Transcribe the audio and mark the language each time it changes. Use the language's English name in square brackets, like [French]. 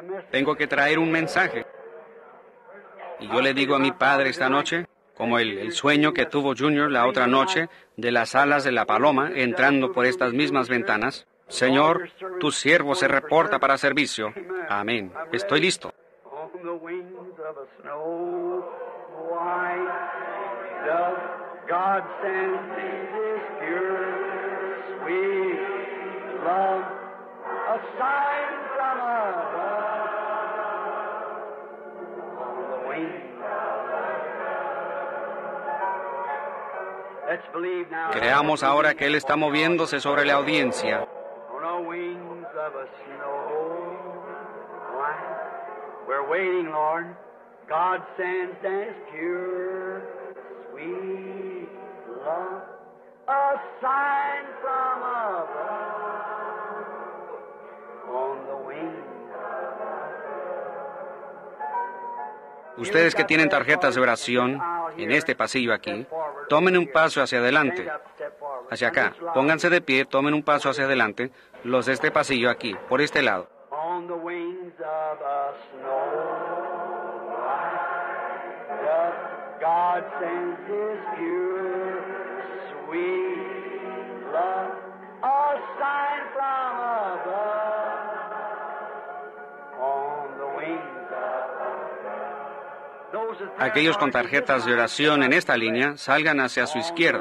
[Spanish] Tengo que traer un mensaje. Y yo le digo a mi padre esta noche, como el sueño que tuvo Junior la otra noche, de las alas de la paloma entrando por estas mismas ventanas, Señor, tu siervo se reporta para servicio. Amén. Estoy listo. [English] The wings of a snow white dove, God sends His pure, sweet love, a sign from above, on the wings of a dove. Let's believe now. [Spanish] Ahora que Él está moviéndose sobre la audiencia. [English] On the wings of a snow white. We're waiting, Lord. God sends His pure, sweet love, a sign from above, on the wings. [Spanish] Ustedes que tienen tarjetas de oración en este pasillo aquí, tomen un paso hacia adelante, hacia acá. Pónganse de pie, tomen un paso hacia adelante, los de este pasillo aquí, por este lado. [English] On the wings of a snow white dove, God sends His pure, sweet love, a sign from above, on the wings of a dove. [Spanish] Aquellos con tarjetas de oración en esta línea, salgan hacia su izquierda.